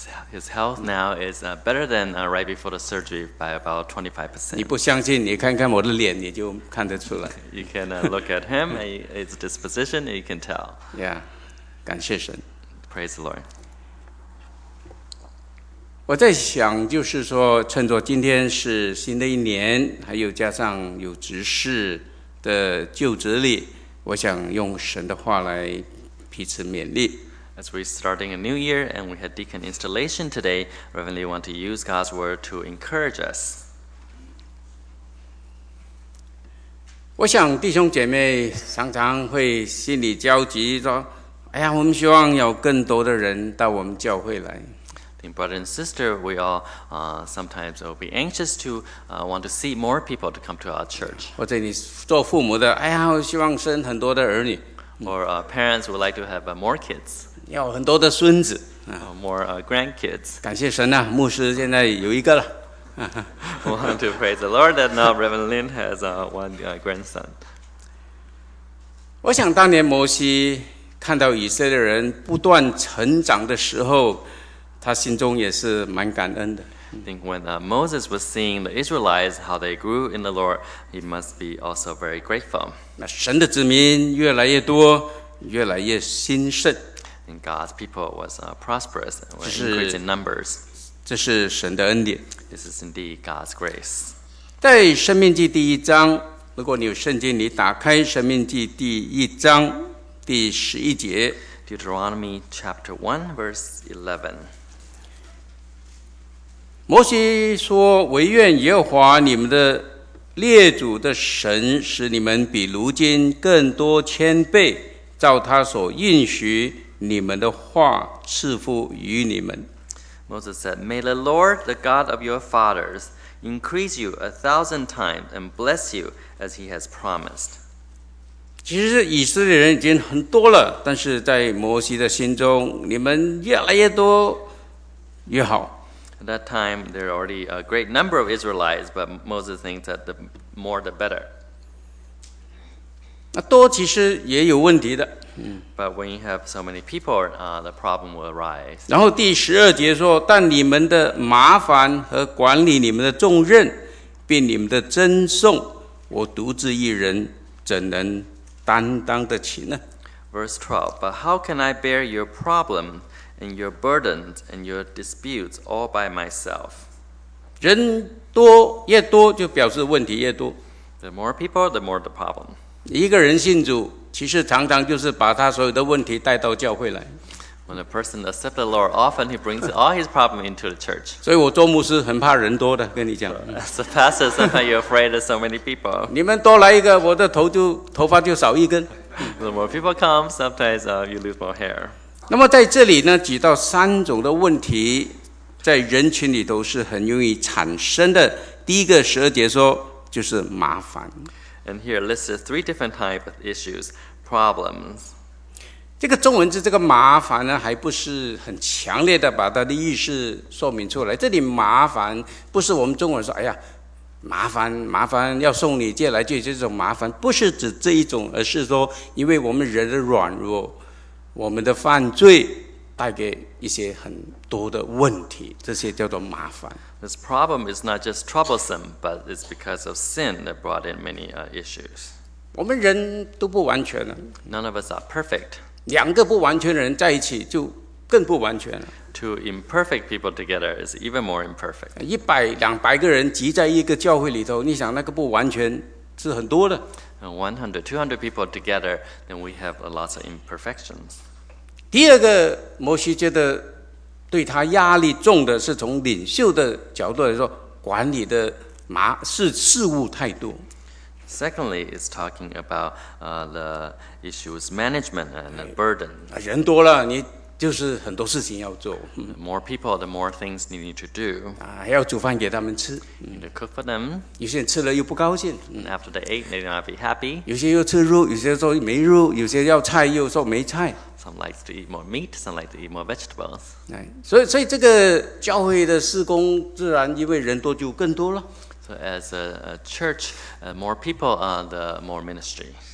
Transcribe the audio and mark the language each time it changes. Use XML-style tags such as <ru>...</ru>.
<en>His health now is better than right before the surgery by about 25%.</en> <zh>你不相信，你看看我的脸，你就看得出来。</zh> <en>You can look at him, his disposition, you can tell.</en> <zh>Yeah, 感谢神。</zh> <en>Praise the Lord.</en> <zh>我在想，就是说，趁着今天是新的一年，还有加上有执事的就职礼，我想用神的话来彼此勉励。</zh> <en>As we're starting a new year and we had deacon installation today, Reverend Lee want to use God's word to encourage us.</en> <zh>我想弟兄姐妹常常会心里焦急说，哎呀，我们希望有更多的人到我们教会来。</zh> <en>I think brother and sister, we all sometimes will be anxious to want to see more people to come to our church.</en> <zh>或者你做父母的，哎呀，我希望生很多的儿女。</zh> <en>Or parents would like to have more kids.</en> <zh>要很多的孙子</zh> <en>more grandkids.</en> <zh>感谢神啊，牧师现在有一个了。</zh> <en>We want to praise the Lord that now Reverend Lin has one grandson.</en> <zh>我想当年摩西看到以色列人不断成长的时候，他心中也是蛮感恩的。</zh> <en>I think when Moses was seeing the Israelites, how they grew in the Lord, he must be also very grateful.</en> <zh>那神的子民越来越多，越来越兴盛。</zh> <en>And God's people was prosperous, was increased in numbers.</en> <zh>这是神的恩典。</zh> <en>This is indeed God's grace.</en> <zh>在《申命记》第一章，如果你有圣经，你打开《申命记》第一章第十一节。</zh> <en>Deuteronomy chapter 1, verse 11.</en> <zh>摩西说：“惟愿耶和华你们的列祖的神使你们比如今更多千倍，照他所应许。” 你们的话赐福于你们。</zh> <en>Moses said, May the Lord, the God of your fathers, increase you 1,000 times and bless you as he has promised.</en> <zh>其实以色列人已经很多了，但是在摩西的心中，你们越来越多越好。</zh> <en>At that time, there are already a great number of Israelites, but Moses thinks that the more the better.</en> <zh>那多其实也有问题的。</zh> <en>But when you have so many people, the problem will arise.</en> <zh>然后第十二节说，但你们的麻烦和管理你们的重任，并你们的争讼，我独自一人怎能担当得起呢？</zh> <en>Verse 12, But how can I bear your problem and your burdens and your disputes all by myself?</en> <zh>人多越多就表示问题越多。</zh> <en>The more people, the more the problem.</en> <zh>一个人信主其实常常就是把他所有的问题带到教会来。</zh> <en>When a person accepts the Lord, often he brings all his problems into the church.</en> <zh>所以我做牧师很怕人多的，跟你讲。</zh> <en>As a pastor, sometimes you're afraid of so many people.</en> <zh>你们多来一个，我的头发就少一根。</zh> <en>The more people come, sometimes you lose more hair.</en> <zh>那么在这里呢，举到三种的问题，在人群里都是很容易产生的。第一个十二节说，就是麻烦。</zh> <en>And here listed three different types of issues, problems.</en> <zh>这个中文字这个麻烦呢，还不是很强烈的把它的意思说明出来。这里麻烦不是我们中文说，哎呀，麻烦要送你借来借去，这种麻烦不是指这一种，而是说因为我们人的软弱，我们的犯罪带给一些很多的问题，这些叫做麻烦。</zh> <en>This problem is not just troublesome, but it's because of sin that brought in many issues.</en> <zh>我们人都不完全</zh> <en>了。None of us are perfect.</en> <zh>两个不完全的人在一起就更不完全了。</zh> <en>Two imperfect people together is even more imperfect.</en> <zh>100-200个人集在一个教会里头，你想那个不完全是很多的。</zh> <en>100-200 people together, then we have a lot of imperfections.</en> <zh>第二个，摩西觉得对他压力重的是从领袖的角度来说，管理的事务态度。</zh> <en>Secondly, it's talking about the issues management and the burden.</en> <zh>人多了，你就是很多事情要做。</zh> <en>More people, the more things you need to do.</en> <zh>还要煮饭给他们吃。</zh> <en>You need to cook for them.</en> <zh>有些人吃了又不高兴。</zh> <en>After they ate, they don't be happy.</en> <zh>有些又吃肉，有些说没肉，有些要菜又说没菜。</zh> <en>Some like to eat more meat, some like to eat more vegetables.</en> <zh>所以这个教会的事工自然因为人多就更多了。</zh> <en>So as a church, more people are the more ministry.</en>